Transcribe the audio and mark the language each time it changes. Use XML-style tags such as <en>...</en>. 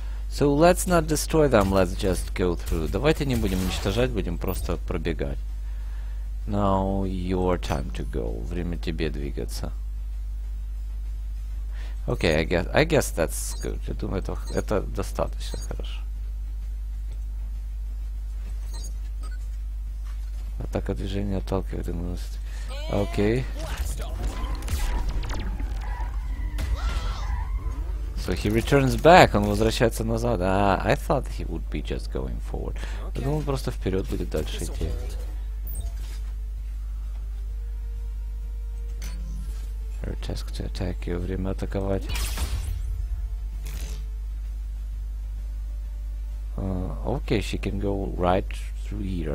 <en>So let's not destroy them, let's just go through.</en> <ru>Давайте не будем уничтожать, будем просто пробегать.</ru> <en>Now your time to go,</en> <ru>время тебе двигаться.</ru> <en>Окей, okay, I guess that's good.</en> <ru>Я думаю, это достаточно хорошо. Атака движения отталкивает и наносит. Окей.</ru> <en>So he returns back.</en> <ru>Он возвращается назад.</ru> <en>I thought he would be just going forward. Okay.</en> <ru>Я думаю, он просто вперед будет дальше идти.</ru> <en>Her task to attack you.</en> <ru>Время атаковать.</ru> <en>Okay, she can go right through here.</en>